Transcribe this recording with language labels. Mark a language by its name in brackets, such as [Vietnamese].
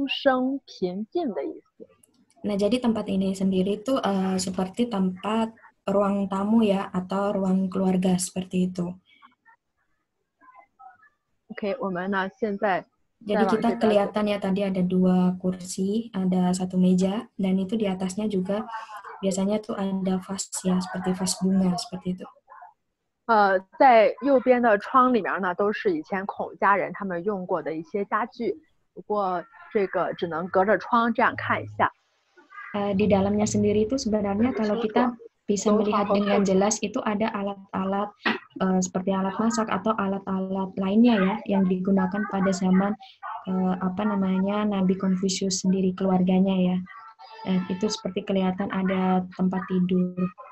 [Chinese] 在前方这个寿字呢是慈禧老佛爷写的，在下方您看到左边、中间、右边，那它呢分别有这种一个小屏风，还有一个西洋钟，右边呢还有一个花瓶，加在一起呢意思是终生平静的意思。 [Indonesian] Nah, jadi tempat ini sendiri itu seperti tempat ruang tamu ya atau ruang keluarga seperti itu. [Chinese] Oke, 我们呢现在 [Indonesian] jadi kita kelihatan ya tadi ada dua kursi, ada satu meja dan itu di atasnya juga biasanya tuh ada vas ya seperti vas bunga seperti itu. [Chinese] 在右边的窗里面呢都是以前孔家人他们用过的一些家具，不过这个只能隔着窗这样看一下。 [Indonesian] Di dalamnya sendiri itu sebenarnya kalau kita bisa melihat dengan jelas itu ada alat-alat seperti alat masak atau alat-alat lainnya ya yang digunakan pada zaman apa namanya Nabi Konfusius sendiri keluarganya ya itu seperti kelihatan ada tempat tidur.